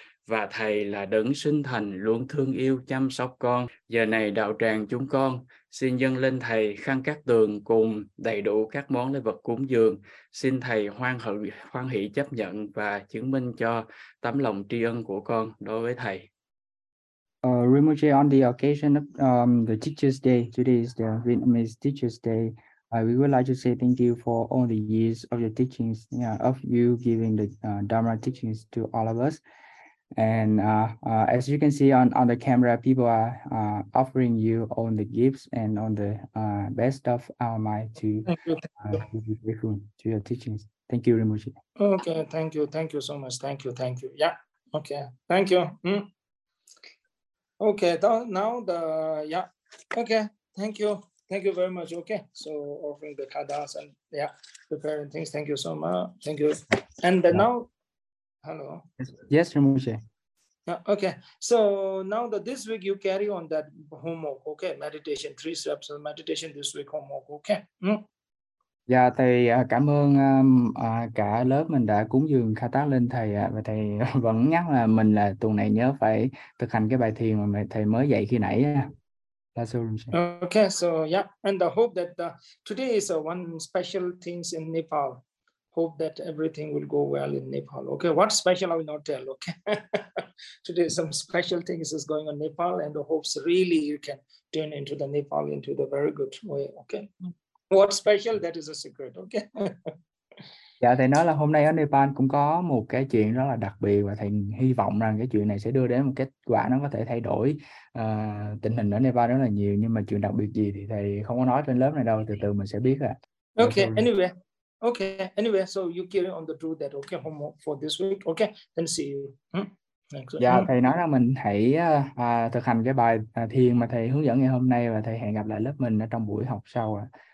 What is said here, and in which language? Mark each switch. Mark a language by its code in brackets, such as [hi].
[vi] Và Thầy là đấng sinh thành luôn thương yêu chăm sóc con. Giờ này đạo tràng chúng con xin dâng lên Thầy khăn cát tường cùng đầy đủ các món lễ vật cúng dường. Xin Thầy hoan hỷ chấp nhận và chứng minh cho tấm lòng tri ân của con đối với Thầy. [en] Rinpoche, on the occasion of the Teacher's Day, today is the Vietnamese Teacher's Day. We would like to say thank you for all the years of your teachings, of you giving the Dharma teachings to all of us. And as you can see on the camera, people are offering you all the gifts and all the best of our mind to be grateful to your teachings. Thank you, Rinpoche. Okay, thank you. Thank you so much. Thank you. Thank you. Yeah. Okay. Thank you. Okay, now the, okay, thank you. Thank you very much, okay. So offering the kadas and preparing things. Thank you so much, thank you. And now, hello. Yes, Rinpoche. Okay, so now that this week you carry on that homework, okay? Meditation, 3 steps of meditation this week homework, okay? [vi] Dạ, thầy cảm ơn cả lớp mình đã cúng dường khai tác lên thầy ạ. Và thầy vẫn nhắc là mình là tuần này nhớ phải thực hành cái bài thiền mà thầy mới dạy khi nãy. [en] Okay, so yeah, and I hope that today is one special things in Nepal. Hope that everything will go well in Nepal. Okay, what special I will not tell, okay? Today some special things is going on in Nepal and the hopes really you can turn into the Nepal into the very good way, okay? What special, that is a secret, okay? [vi] Dạ, thầy nói là hôm nay ở Nepal cũng có một cái chuyện rất là đặc biệt và thầy hy vọng rằng cái chuyện này sẽ đưa đến một kết quả nó có thể thay đổi tình hình ở Nepal rất là nhiều. Nhưng mà chuyện đặc biệt gì thì thầy không có nói trên lớp này đâu, từ từ mình sẽ biết ạ. [en] Okay, anyway, so you carry on the truth that okay, homework for this week, okay, then see you. [vi] Dạ, thầy nói là mình hãy thực hành cái bài thiền mà thầy hướng dẫn ngày hôm nay và thầy hẹn gặp lại lớp mình ở trong buổi học sau ạ.